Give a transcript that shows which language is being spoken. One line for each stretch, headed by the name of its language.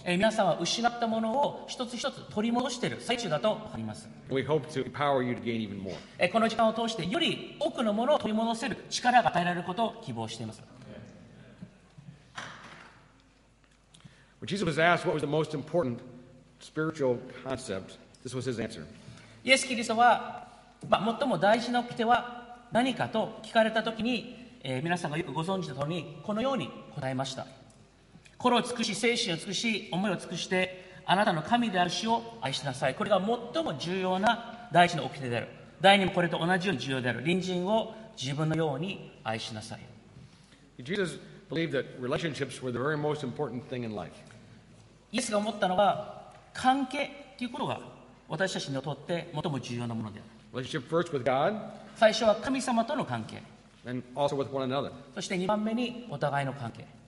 Japanese: 皆さんは失ったものを一つ一つ取り戻している最中だと思います。
English: We hope to empower you to gain even more.
Japanese: この時間を通してより多くのものを取り戻せる力が与えられることを希望しています。
English: When Jesus was asked what was the most important spiritual concept, this was his answer.
Japanese: イエス・キリストは、まあ、最も大事な掟は何かと聞かれたときに、皆さんがよくご存知のとおり、このように答えました。心を尽くし、精神を尽くし、思いを尽くして、あなたの神である主を愛しなさい。これが最も重要な大事な掟である。第二もこれと同じように重要である。隣人を自分のように愛しなさい。
English: Jesus believed that relationships were the very most important thing in life.
Japanese: イエスが思ったのは関係ということが私たちにとって最も重要なものである。最初は神様との関係。そして2番目にお互いの関係。